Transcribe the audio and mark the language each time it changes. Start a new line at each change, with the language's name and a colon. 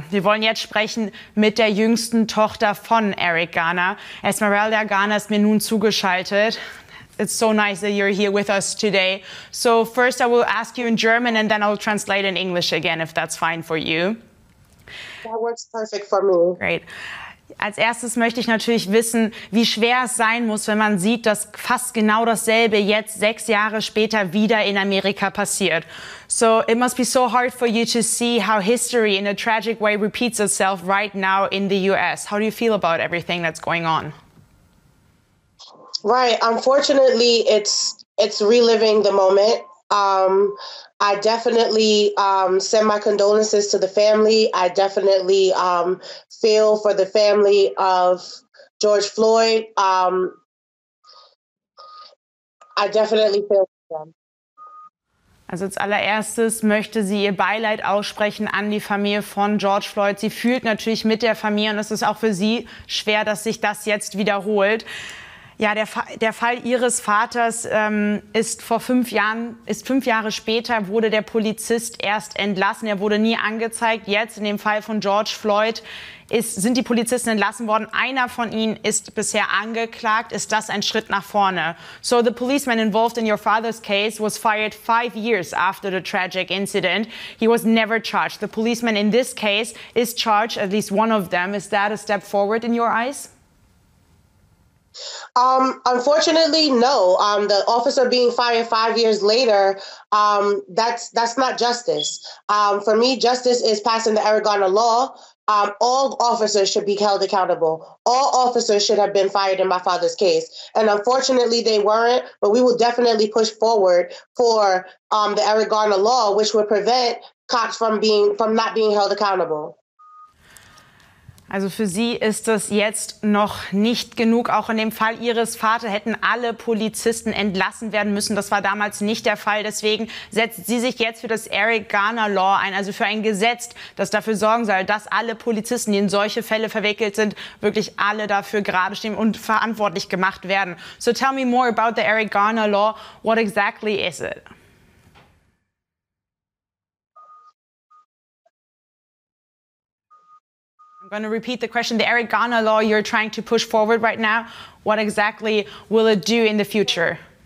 German: Wir wollen jetzt sprechen mit der jüngsten Tochter von Eric Garner. Esmeralda Garner ist mir nun zugeschaltet.
English: It's so nice that you're here with us today. So first I will ask you in German and then I'll translate in English again, if that's fine for you. That works perfect for me. Great.
German: Als erstes möchte ich natürlich wissen, wie schwer es sein muss, wenn man sieht, dass fast genau dasselbe jetzt 6 Jahre später wieder in Amerika passiert.
English: So it must be so hard for you to see how history in a tragic way repeats itself right now in the US. How do you feel about everything that's going on? Right. Unfortunately, it's reliving the moment. I definitely send my condolences to the family. I definitely feel for the family of George Floyd. I definitely feel for them.
German: Also als allererstes möchte sie ihr Beileid aussprechen an die Familie von George Floyd. Sie fühlt natürlich mit der Familie und es ist auch für sie schwer, dass sich das jetzt wiederholt. Ja, der Fall ihres Vaters ist 5 Jahre später, wurde der Polizist erst entlassen. Er wurde nie angezeigt. Jetzt, in dem Fall von George Floyd, sind die Polizisten entlassen worden. Einer von ihnen ist bisher angeklagt. Ist das ein Schritt nach vorne?
English: So the policeman involved in your father's case was fired 5 years after the tragic incident. He was never charged. The policeman in this case is charged, at least one of them. Is that a step forward in your eyes? Unfortunately, no. The officer being fired 5 years later, that's not justice. For me, justice is passing the Eric Garner law. All officers should be held accountable. All officers should have been fired in my father's case. And unfortunately, they weren't. But we will definitely push forward for the Eric Garner law, which would prevent cops from not being held accountable.
German: Also für sie ist das jetzt noch nicht genug. Auch in dem Fall ihres Vaters hätten alle Polizisten entlassen werden müssen. Das war damals nicht der Fall. Deswegen setzt sie sich jetzt für das Eric Garner Law ein, also für ein Gesetz, das dafür sorgen soll, dass alle Polizisten, die in solche Fälle verwickelt sind, wirklich alle dafür gerade stehen und verantwortlich gemacht werden.
English: So tell me more about the Eric Garner Law. What exactly is it? I'm going to repeat the question. The Eric Garner law you're trying to push forward right now, what exactly will it do in the future?